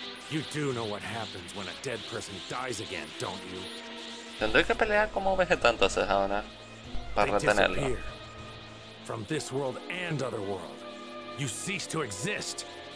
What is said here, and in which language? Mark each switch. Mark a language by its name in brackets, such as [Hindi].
[English] You do know what happens when a dead person dies again, don't you? [Spanish] Tendré que pelear como Vegeta entonces ahora para retenerlo. [English] From this world and other world, you cease to exist.